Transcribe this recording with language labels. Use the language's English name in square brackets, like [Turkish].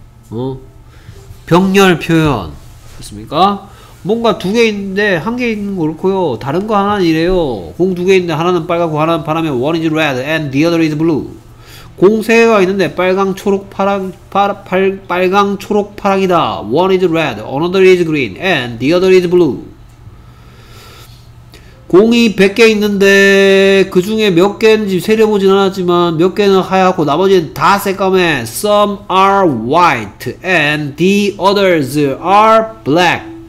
[Korean] 어? 병렬 표현 맞습니까? 뭔가 두 개 있는데 한 개 있는 거 그렇고요 다른 거 하나는 이래요. 공 두 개 있는데 하나는 빨갛고 하나는 파라면 [English] one is red and the other is blue. [Korean] 공 세 개가 있는데 빨강 초록 파랑 빨강 초록 파랑이다. [English] One is red, another is green, and the other is blue. [Korean] 공이 100개 있는데 그 중에 몇 개인지 세려보진 않았지만 몇 개는 하얗고 나머지는 다 새까매. [English] Some are white and the others are black.